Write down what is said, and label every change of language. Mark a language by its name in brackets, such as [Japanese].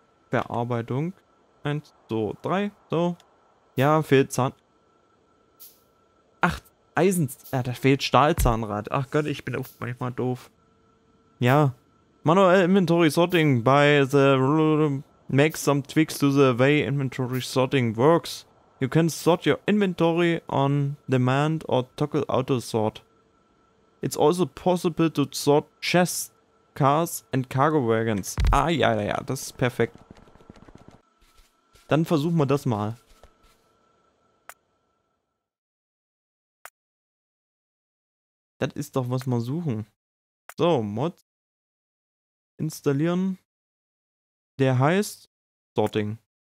[German] Bearbeitung. Eins, so, drei. So. Ja, fehlt Zahn. Ach, Eisen. Ja, da fehlt Stahlzahnrad. Ach Gott, ich bin auch manchmal doof. [English] Ja. Manuell Inventory Sorting by the. Make some tweaks to the way inventory sorting works. You can sort your inventory on demand or toggle auto sort. It's also possible to sort chests, cars and cargo wagons. [German] Ah, ja, das ist perfekt. Dann versuchen wir das mal. Das ist doch, was wir suchen. So, Mods. Installieren. Der heißt Sorting.